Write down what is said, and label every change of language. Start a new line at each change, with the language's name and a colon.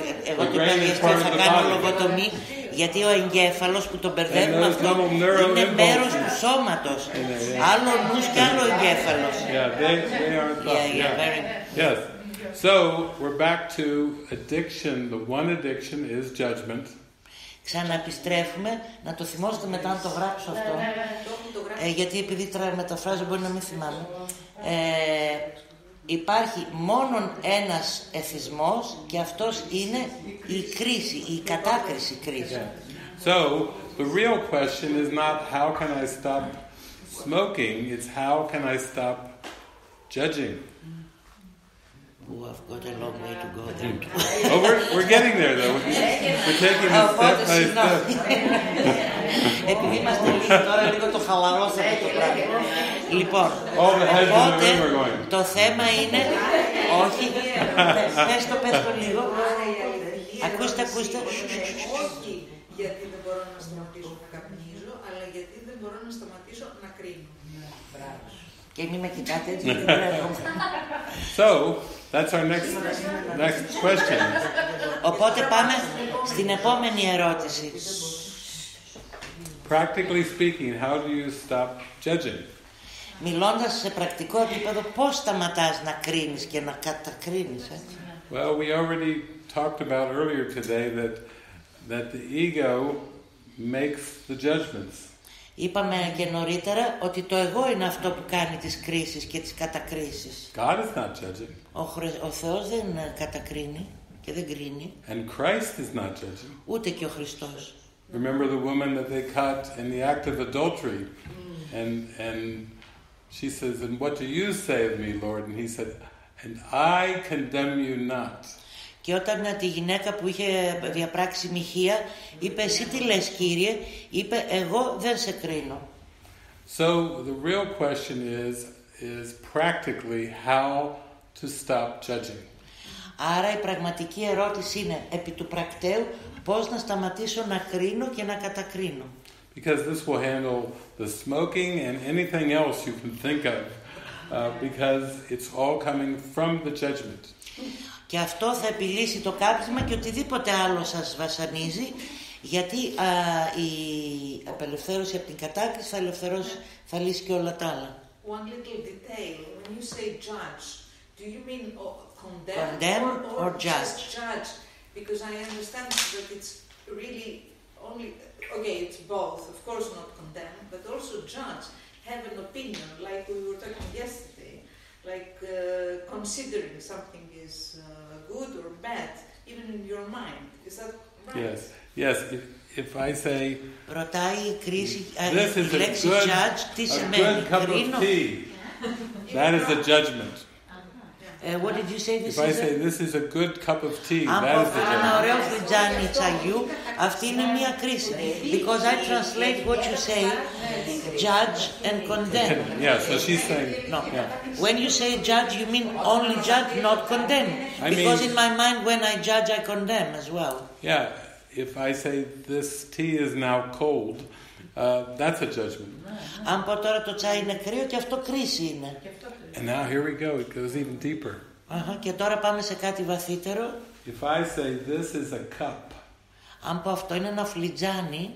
Greek: Εγώ το πέμπτο θα κάνω λογοτομή. Γιατί ο εγκέφαλος που τον μπερδεύουμε αυτό είναι μέρος του σώματος. Άλλο νους και άλλο εγκέφαλος.
English: Yeah, they are thoughts. Yes. So, we're back to addiction. The one addiction is judgment.
Greek: Ξαναπιστρέφουμε, να το θυμόσετε μετά να το γράψω αυτό. Γιατί επειδή τώρα μεταφράζω μπορεί να μην θυμάμαι. Υπάρχει μόνον ένας εθισμός και αυτός είναι η κρίση, η κατάκριση κρίση.
English: So, the real question is not how can I stop smoking, it's how can I stop judging. Oh, I've got a long way to go then. Oh, we're getting there though. We're taking it step by step.
Greek: Επειδή είμαστε τώρα λίγο το χαλαρώσαμε το πράγμα. Λοιπόν, οπότε το θέμα είναι, όχι, πες το λίγο, ακούστε. Όχι γιατί δεν μπορώ να σταματήσω να καπνίζω, αλλά γιατί δεν μπορώ να σταματήσω να κρίνω. Και μη με κοιτάτε έτσι.
English: So, that's our next question.
Greek: Οπότε πάμε στην επόμενη ερώτηση.
English: Practically speaking, how do you stop judging?
Greek: Μιλώντας σε πρακτικό επίπεδο, πώς σταματάς να κρίνεις και να κατακρίνεις, έτσι.
English: Well, we already talked about earlier today that the ego makes the judgments.
Greek: Είπαμε και νωρίτερα ότι το εγώ είναι αυτό που κάνει τις κρίσεις και τις κατακρίσεις.
English: God is not judging.
Greek: Ο Θεός δεν κατακρίνει και δεν κρίνει.
English: And Christ is not judging.
Greek: Ούτε και ο Χριστός.
English: Remember the woman that they caught in the act of adultery, and she says, "And what do you say of me, Lord?" And he said, "And I condemn you not."
Greek: Και όταν τη γυναίκα που είχε διαπράξει μοιχεία είπε «Εσύ τι λες, Κύριε» είπε «Εγώ δεν σε κρίνω».
English: So the real question is practically how to stop judging.
Greek: Άρα η πραγματική ερώτηση είναι επί του πρακτέου πώς να σταματήσω να κρίνω και να κατακρίνω.
English: Because this will handle the smoking and anything else you can think of because it's all coming from the judgment.
Greek: Και αυτό θα επιλύσει το κάπνισμα και οτιδήποτε άλλο σας βασανίζει, γιατί η απελευθέρωση από την κατάκριση θα λύσει και όλα τα άλλα.
English: One little detail. When you say judge, do you mean condemn or judge? Just judge, because I understand that it's really only okay. It's both. Of course, not condemn, but also judge. Have an opinion, like we were talking yesterday. Like considering something is good or bad, even in your mind, is that right? Yes, yes. If I say, this is a good, judge, a good cup of tea, that is a judgment. What did you say? If I say this is a good cup of tea, that is a judgment.
Greek: Αν ωραίος φλιτζάνι τσαγιού, αυτή είναι μια κρίση.
English: Because I translate what you say, judge and condemn. Yeah, so she's saying... No. Yeah. When you say judge, you mean only judge, not condemn. Because in my mind, when I judge, I condemn as well. Yeah, if I say this tea is now cold, that's a judgment.
Greek: Αν πω τώρα το τσάι είναι κρύο, και αυτό κρίση είναι.
English: And now here we go, it goes even deeper. Uh-huh.
Greek: Και τώρα πάμε σε κάτι βαθύτερο.
English: If I say this is a cup,
Greek: αν πω αυτό είναι ένα φλιτζάνι,